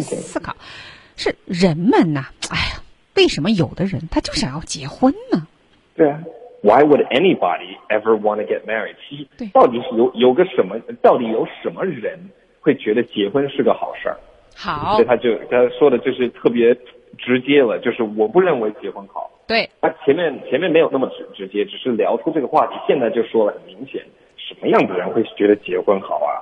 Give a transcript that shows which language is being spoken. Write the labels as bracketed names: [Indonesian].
[Chinese] 思考，是人们呐、为什么有的人他就想要结婚呢？对啊 [English] ，Why would anybody ever want to get married？ [Chinese] 其实到底是有个什么，到底有什么人会觉得结婚是个好事儿？好，所以他说的就是特别直接了，就是我不认为结婚好。对，他前面没有那么直接，只是聊出这个话题，现在就说了很明显，什么样的人会觉得结婚好啊？